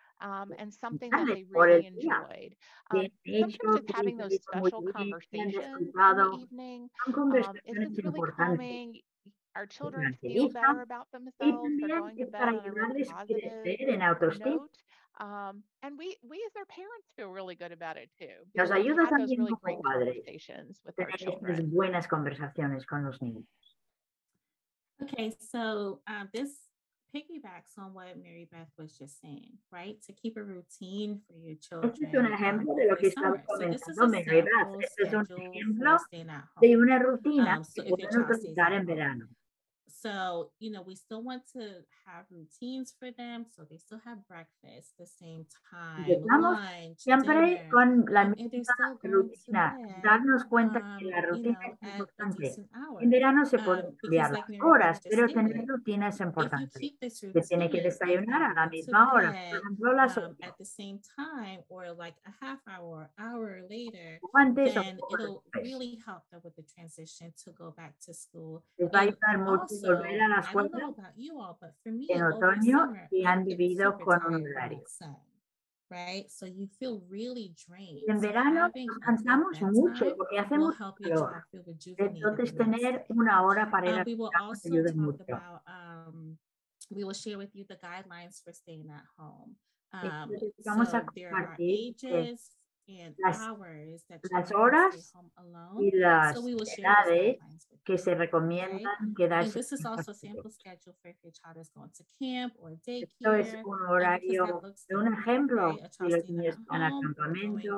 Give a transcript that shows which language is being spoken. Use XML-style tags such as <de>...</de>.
<en>And something that they really enjoyed. Sometimes having those special conversations in the evening, isn't really calming. Our children feel better about themselves.</en> <es>Para ayudarles a crecer en autoestima.</es> <en>And we as their parents feel really good about it too.</en> <es>Nos ayuda también como padres tener estas buenas conversaciones con los niños.</es> <en>Okay, so this piggybacks on what Mary Beth was just saying, right? To keep a routine for your children.</en> <es>Este es un ejemplo de lo que estaba comentando Mary Beth. Este es un ejemplo de una rutina que podemos utilizar en verano.</es> <en>So, you know, we still want to have routines for them, so they still have breakfast at the same time.</en> <es>Estamos siempre con la misma rutina. Darnos cuenta que la rutina es importante. En verano se pueden cambiar las horas, pero tener rutinas es importante. Se tiene que desayunar a la misma hora, por ejemplo, las 8.</es> <en>At the same time, or like a half hour, hour later,</en> <es>antes,</es> <en>then it'll really help them with the transition to go back to school.</en> <es>Les va a ayudar mucho. Volver a la escuela en otoño y han vivido con un horario. En verano nos cansamos mucho porque hacemos calor. Entonces, tener una hora para ir a la escuela ayuda mucho.</es> <en>We will share with you the guidelines for staying at home.</en> <es>Vamos a compartir las horas y las edades que se recomiendan quedarse. Esto es un horario de un ejemplo si los niños van al campamento</es>